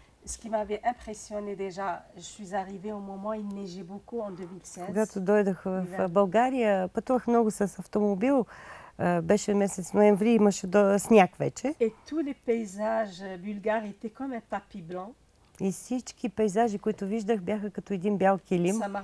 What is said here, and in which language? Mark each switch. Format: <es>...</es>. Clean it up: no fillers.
<fr>Ce qui m'avait impressionné déjà, je suis arrivée au moment où il neigeait beaucoup en 2016.</fr> <bg>Когато дойдох в България, пътувах много с автомобил. Беше месец ноември, имаше сняг вече.</bg> <fr>Et tous les paysages bulgares étaient comme un tapis blanc.</fr> <bg>И всички пейзажи, които виждах, бяха като един бял килим.</bg>